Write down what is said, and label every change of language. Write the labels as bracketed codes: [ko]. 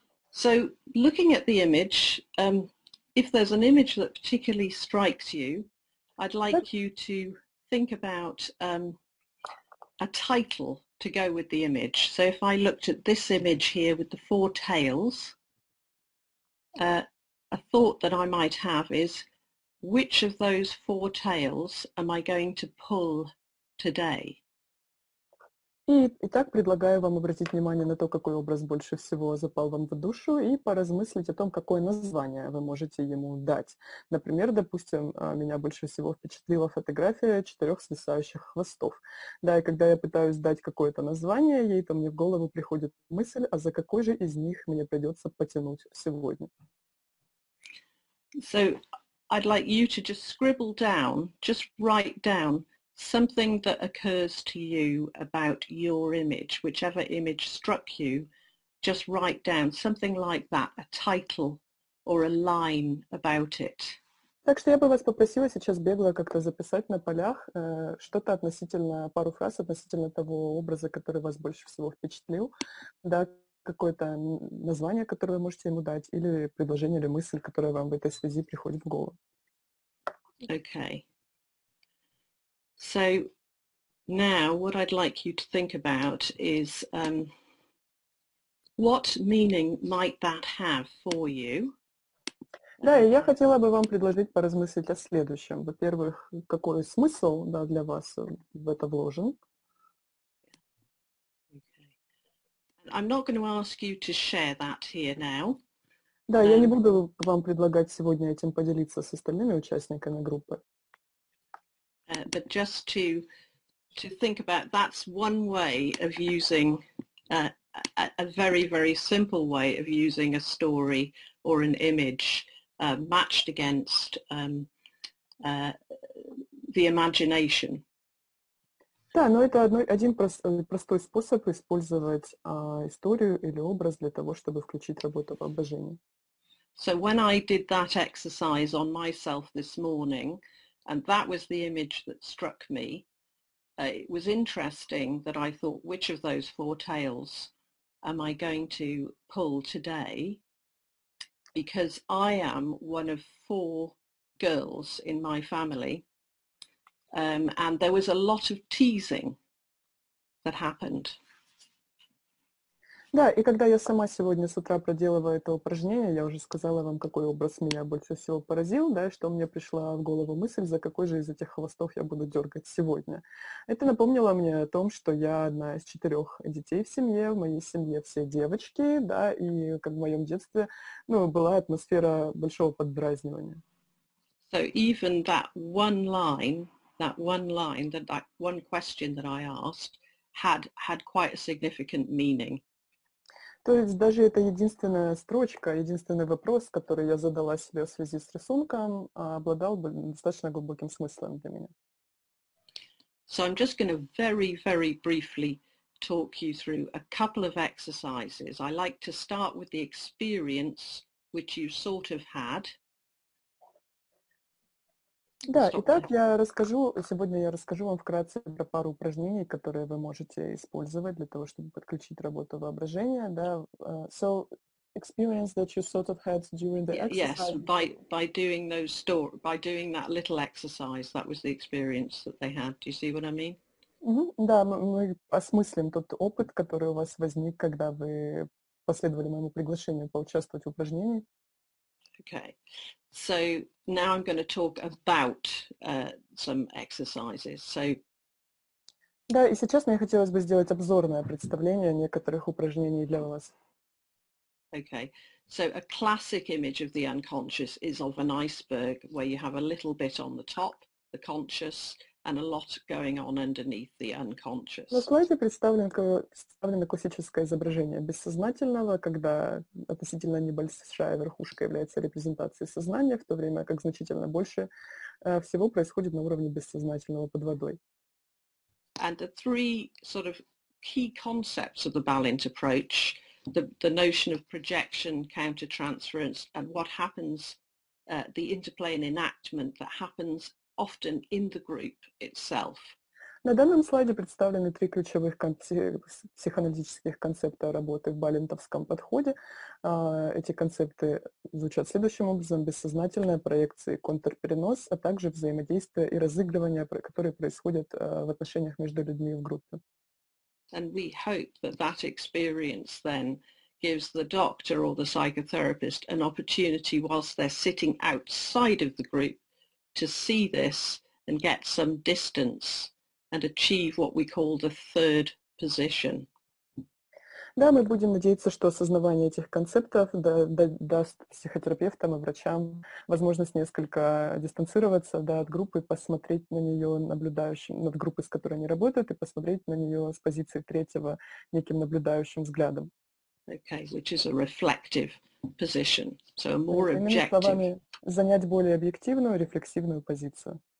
[en] So looking at the image, if there's an image that particularly strikes you, I'd like you to think about a title to go with the image. So if I looked at this image here with the four tails, a thought that I might have is, which of those four tails am I going to pull today? [ru] И так предлагаю вам обратить внимание на то, какой образ больше всего запал вам в душу, и поразмыслить о том, какое название вы можете ему дать. Например, допустим, меня больше всего впечатлила фотография четырех свисающих хвостов. Да, и когда я пытаюсь дать какое-то название ей, то мне в голову приходит мысль, а за какой же из них мне придется потянуть сегодня. [en] So, I'd like you to just scribble down, just write down something that occurs to you about your image, whichever image struck you, just write down something like that, a title or a line about it. [ru] Так что я бы вас попросила сейчас бегло как-то записать на полях что-то относительно, пару фраз относительно того образа, который вас больше всего впечатлил, да, какое-то название, которое вы можете ему дать, или предложение, или мысль, которая вам в этой связи приходит в голову. [en] Okay. So now what I'd like you to think about is what meaning might that have for you? [ru] Да, и я хотела бы вам предложить поразмыслить о следующем. Во-первых, какой смысл, да, для вас в это вложен? [en] Okay. I'm not going to ask you to share that here now. [ru] Да, я не буду вам предлагать сегодня этим поделиться с остальными участниками группы. [en] But just to think about, that's one way of using a very, very simple way of using a story or an image matched against the imagination. [ru] Да, но это один простой способ использовать историю или образ для того, чтобы включить работу воображения. [en] So when I did that exercise on myself this morning, and that was the image that struck me. It was interesting that I thought, which of those four tails am I going to pull today? Because I am one of four girls in my family. And there was a lot of teasing that happened. [ru] Да, и когда я сама сегодня с утра проделала это упражнение, я уже сказала вам, какой образ меня больше всего поразил, да, и что мне пришла в голову мысль, за какой же из этих хвостов я буду дергать сегодня. Это напомнило мне о том, что я одна из четырех детей в семье, в моей семье все девочки, да, и как в моем детстве, ну, была атмосфера большого поддразнивания. [en] So even that one line, that one question that I asked had quite a significant meaning. [ru] То есть даже эта единственная строчка, единственный вопрос, который я задала себе в связи с рисунком, обладал бы достаточно глубоким смыслом для меня. [en] So I'm just going to very, very briefly talk you through a couple of exercises. I like to start with the experience, which you sort of had. [ru] Да, итак, сегодня я расскажу вам вкратце про пару упражнений, которые вы можете использовать для того, чтобы подключить работу воображения, да. [en] So, experience that you sort of had during the exercise. Yes, by doing those store, by doing that little exercise, that was the experience that they had. Do you see what I mean? [ru] Mm-hmm. Да, мы осмыслим тот опыт, который у вас возник, когда вы последовали моему приглашению поучаствовать в упражнении. [en] Okay, so now I'm going to talk about some exercises. So. [ru] Да, и сейчас мне хотелось бы сделать обзорное представление некоторых упражнений для вас. [en] Okay, so a classic image of the unconscious is of an iceberg, where you have a little bit on the top, the conscious, and a lot going on underneath the unconscious. [ru] На слайде представлено классическое изображение бессознательного, когда относительно небольшая верхушка является репрезентацией сознания, в то время как значительно больше всего происходит на уровне бессознательного под водой. [en] And the three sort of key concepts of the Balint approach, the notion of projection, countertransference, and what happens, the interplay and enactment that happens often in the group itself. [ru] На данном слайде представлены три ключевых психоаналитических концепта работы в балинтовском подходе. Эти концепты звучат следующим образом: бессознательная проекция, контрперенос, а также взаимодействие и разыгрывание, которые происходят в отношениях между людьми в группе. [en] And we hope that that experience then gives the doctor or the psychotherapist an opportunity whilst they're sitting outside of the group to see this and get some distance. And achieve what we call the third position. [ru] Да, мы будем надеяться, что осознавание этих концептов даст психотерапевтам и врачам возможность несколько дистанцироваться, да, от группы, посмотреть на нее наблюдающим, над группой, с которой они работают, и посмотреть на нее с позиции третьего неким наблюдающим взглядом. [en] Okay, which is a reflective position, so a more objective. [ru] Иными словами, занять более объективную, рефлексивную позицию.